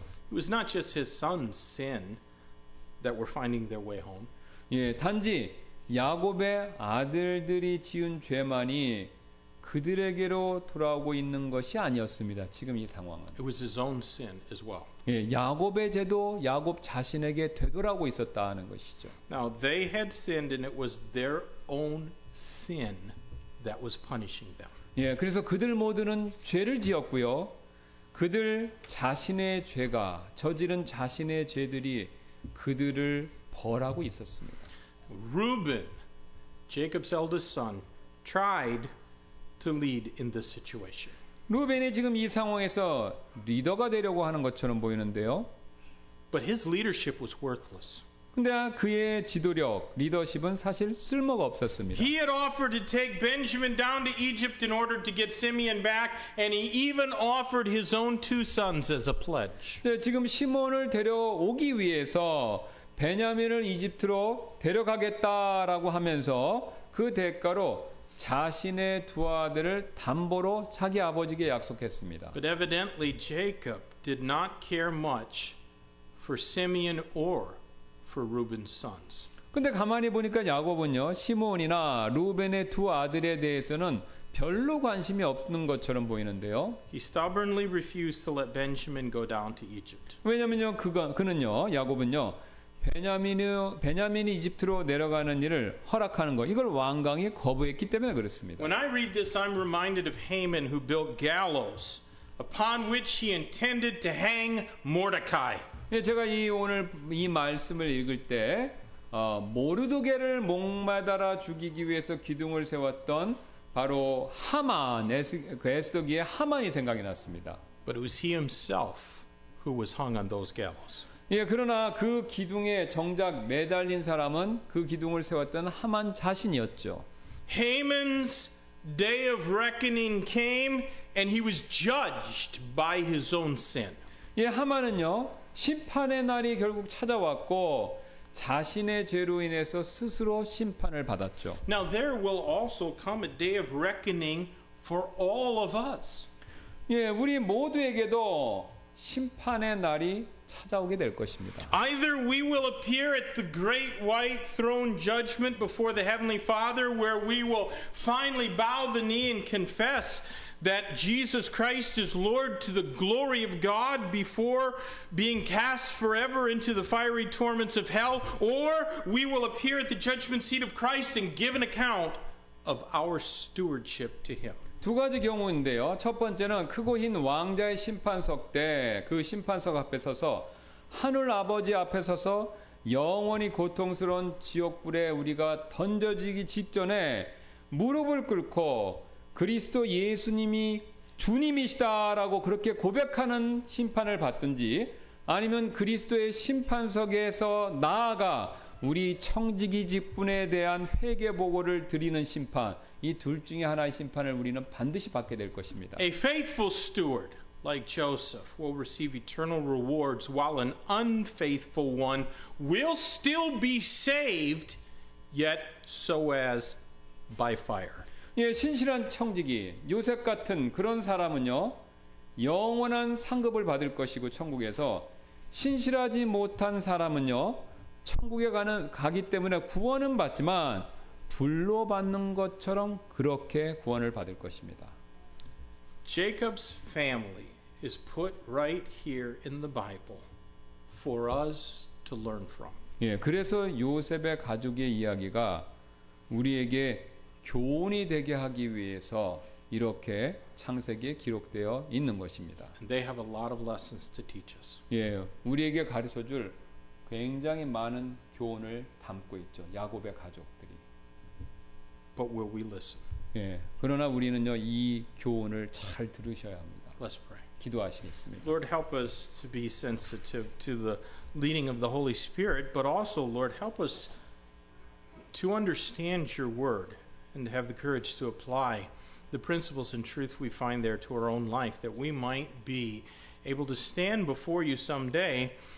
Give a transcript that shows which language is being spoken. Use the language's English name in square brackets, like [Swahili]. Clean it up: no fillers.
[English] It was not just his son's sin that were finding their way home. [Korean] 예, 단지 야곱의 아들들이 지은 죄만이 그들에게로 돌아오고 있는 것이 아니었습니다. 지금 이 상황은. [English] It was his own sin as well. [Korean] 예, 야곱의 죄도 야곱 자신에게 되돌아오고 있었다는 것이죠. [English] Now they had sinned and it was their own sin that was punishing them. [Korean] 예, 그래서 그들 모두는 죄를 지었고요. 그들 자신의 죄가 저지른 자신의 죄들이 그들을 벌하고 있었습니다. [English] Reuben, Jacob's eldest son, tried to lead in this situation. [Korean] 르벤이 지금 이 상황에서 리더가 되려고 하는 것처럼 보이는데요. [English] But his leadership was worthless. [Korean] 근데 그의 지도력, 리더십은 사실 쓸모가 없었습니다. [English] He had offered to take Benjamin down to Egypt in order to get Simeon back, and he even offered his own two sons as a pledge. [Korean] 네, 지금 시몬을 데려오기 위해서 베냐민을 이집트로 데려가겠다라고 하면서 그 대가로 자신의 두 아들을 담보로 자기 아버지께 약속했습니다. [English] But evidently Jacob did not care much for Simeon or for Reuben's sons. [Korean] 근데 가만히 보니까 야곱은요, 시몬이나 르우벤의 두 아들에 대해서는 별로 관심이 없는 것처럼 보이는데요. [English] He stubbornly refused to let Benjamin go down to Egypt. [Korean] 왜냐면요, 그는요, 야곱은요, 베냐민이 이집트로 내려가는 일을 허락하는 것, 이걸 왕강이 거부했기 때문에 그렇습니다. [English] When I read this, I'm reminded of Haman who built gallows upon which he intended to hang Mordecai. [Korean] 예, 제가 이 오늘 이 말씀을 읽을 때 모르드개를 목마다라 죽이기 위해서 기둥을 세웠던 바로 하만, 에스더기의 하만이 생각이 났습니다. [English] But it was he himself who was hung on those gallows. [Korean] 예, 그러나 그 기둥에 정작 매달린 사람은 그 기둥을 세웠던 하만 자신이었죠. [English] Haman's day of reckoning came and he was judged by his own sin. [Korean] 예, 하만은요, 심판의 날이 결국 찾아왔고 자신의 죄로 인해서 스스로 심판을 받았죠. [English] Now there will also come a day of reckoning for all of us. [Korean] 예, 우리 모두에게도 심판의 날이 찾아오게 될 것입니다. [English] Either we will appear at the great white throne judgment before the heavenly Father, where we will finally bow the knee and confess that Jesus Christ is Lord to the glory of God before being cast forever into the fiery torments of hell, or we will appear at the judgment seat of Christ and give an account of our stewardship to Him. [Korean] 두 가지 경우인데요. 첫 번째는 크고 흰 왕자의 심판석 때 그 심판석 앞에 서서 하늘 아버지 앞에 서서 영원히 고통스러운 지옥불에 우리가 던져지기 직전에 무릎을 꿇고 그리스도 예수님이 주님이시다라고 그렇게 고백하는 심판을 받든지 아니면 그리스도의 심판석에서 나아가 우리 청지기 직분에 대한 회개 보고를 드리는 심판 이 둘 중에 하나의 심판을 우리는 반드시 받게 될 것입니다. [English] A faithful steward like Joseph will receive eternal rewards while an unfaithful one will still be saved yet so as by fire. [Korean] 예, 신실한 청지기 요셉 같은 그런 사람은요. 영원한 상급을 받을 것이고 천국에서 신실하지 못한 사람은요. 천국에 가기 때문에 구원은 받지만 불로 받는 것처럼 그렇게 구원을 받을 것입니다. [English] Jacob's family is put right here in the Bible for us to learn from. [Korean] 예, 그래서 요셉의 가족의 이야기가 우리에게 교훈이 되게 하기 위해서 이렇게 창세기에 기록되어 있는 것입니다. [English] And they have a lot of lessons to teach us. [Korean] 예, 우리에게 가르쳐 줄 굉장히 많은 교훈을 담고 있죠. 야곱의 가족들이. [English] But will we listen? [Korean] 예. 그러나 우리는요, 이 교훈을 잘 들으셔야 합니다. [English] Let's pray. [Korean] 기도하시겠습니다. [English] Lord, help us to be sensitive to the leading of the Holy Spirit, but also, Lord, help us to understand your word and have the courage to apply the principles and truth we find there to our own life that we might be able to stand before you someday.